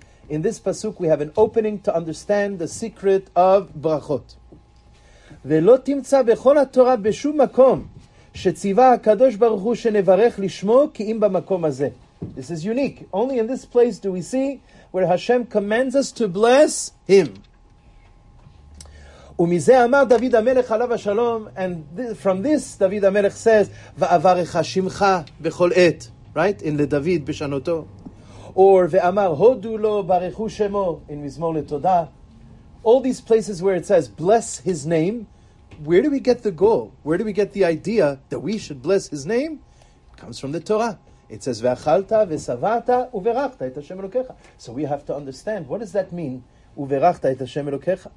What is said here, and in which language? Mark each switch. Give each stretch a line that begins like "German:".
English: In this pasuk, we have an opening to understand the secret of brachot.
Hebrew: ולא תמצא בכל התורה בשום מקום שציווה הקדוש ברוך הוא שנברך לשמו כי אם במקום הזה.
English: This is unique. Only in this place do we see where Hashem commands us to bless Him.
Hebrew: ומזה אמר דוד המלך עליו השלום,
English: and from this
Hebrew: דוד המלך
English: says,
Hebrew: ואברך שמך בכל עת,
English: right?
Hebrew: In לדוד בשנותו. Or ואמר הודו לו ברכו שמו, in מזמור לתודה,
English: all these places where it says, bless his name, where do we get the goal? Where do we get the idea that we should bless his name? It comes from the Torah. It says,
Hebrew: ve'achalta ve'savata uverachta et Hashem Elokecha.
English: So we have to understand, what does that mean?
Hebrew: Uverachta et Hashem Elokecha.